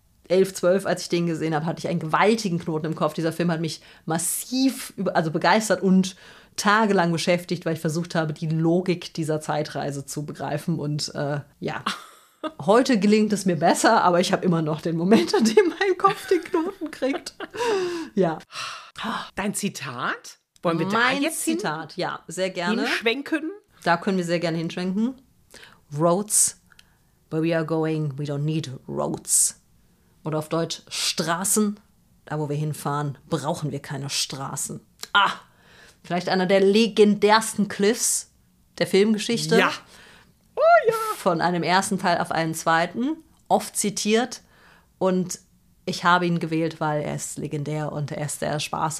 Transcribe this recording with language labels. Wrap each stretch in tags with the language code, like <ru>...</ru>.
<de>11, 12, als ich den gesehen habe, hatte ich einen gewaltigen Knoten im Kopf. Dieser Film hat mich massiv begeistert und tagelang beschäftigt, weil ich versucht habe, die Logik dieser Zeitreise zu begreifen. Und ja, heute gelingt es mir besser, aber ich habe immer noch den Moment, an dem mein Kopf den Knoten kriegt. Ja. Dein Zitat? Wollen wir da jetzt hin? Zitat, ja, sehr gerne. Hinschwenken? Da können wir sehr gerne hinschwenken.</de> <en>Roads, where we are going, we don't need roads.</en> <de>Oder auf Deutsch, Straßen, da wo wir hinfahren, brauchen wir keine Straßen. Ah, vielleicht einer der legendärsten Cliffs der Filmgeschichte. Ja. Oh ja. Von einem ersten Teil auf einen zweiten, oft zitiert. Und ich habe ihn gewählt, weil er ist legendär und er ist der Spaß.</de>